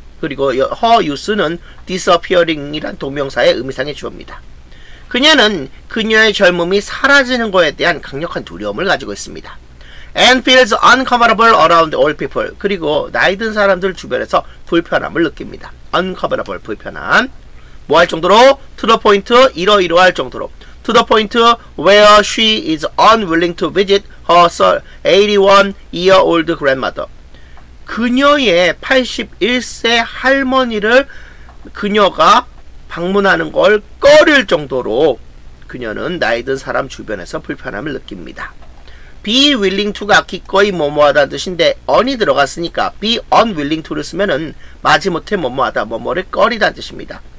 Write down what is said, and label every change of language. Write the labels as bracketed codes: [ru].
[ko] 그리고 her use는 disappearing이란 동명사의 의미상의 주어입니다. 그녀는 그녀의 젊음이 사라지는 것에 대한 강력한 두려움을 가지고 있습니다. [en] And feels uncomfortable around old people. [ko] 그리고 나이 든 사람들 주변에서 불편함을 느낍니다. Uncomfortable, 불편함. 뭐 할 정도로? [en] To the point, [ko] 이러이러 할 정도로. [en] To the point where she is unwilling to visit her 81-year-old grandmother. [ko] 그녀의 81세 할머니를 그녀가 방문하는 걸 꺼릴 정도로 그녀는 나이 든 사람 주변에서 불편함을 느낍니다. Be willing to가 기꺼이 뭐뭐하다는 뜻인데 on이 들어갔으니까 be unwilling to를 쓰면은 마지못해 뭐뭐하다 뭐뭐를 꺼리다는 뜻입니다.